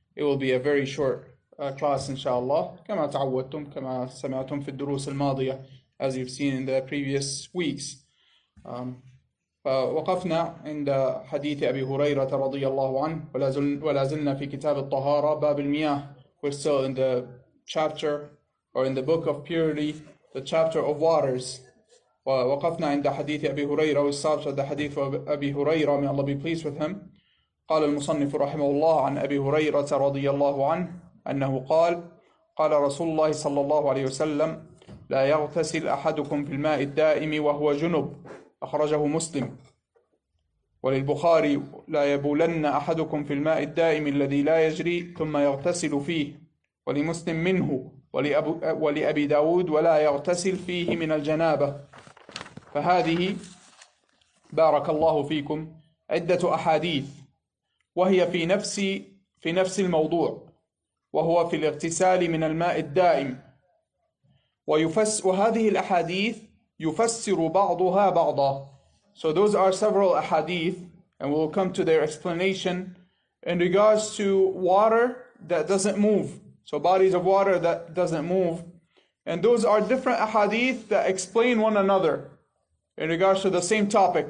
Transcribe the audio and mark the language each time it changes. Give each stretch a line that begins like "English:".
English: It will be a very short class, inshallah.
Arabic: كما تعودتم، كما سمعتم في الدروس الماضية,
English: as you've seen in the previous weeks.
Arabic: فوقفنا عند حديث أبي هريرة رضي الله عنه، ولازلنا في كتاب الطهارة باب المياه.
English: We're still in the chapter, or in the book of purity, the chapter of waters.
Arabic: ووقفنا عند حديث أبي هريرة والصابت عند حديث أبي هريرة.
English: May Allah be pleased with him.
Arabic: قال المصنف رحمه الله عن أبي هريرة رضي الله عنه أنه قال قال رسول الله صلى الله عليه وسلم لا يغتسل أحدكم في الماء الدائم وهو جنب، أخرجه مسلم. وللبخاري لا يبولن أحدكم في الماء الدائم الذي لا يجري ثم يغتسل فيه، ولمسلم منه، ولأبي داود ولا يغتسل فيه من الجنابة. فهذه بارك الله فيكم عدة أحاديث، وهي في نفس الموضوع، وهو في الاغتسال من الماء الدائم. وهذه الأحاديث يفسر بعضها بعضا.
English: So those are several ahadith, and we'll come to their explanation in regards to water that doesn't move. So bodies of water that doesn't move. And those are different ahadith that explain one another in regards to the same topic.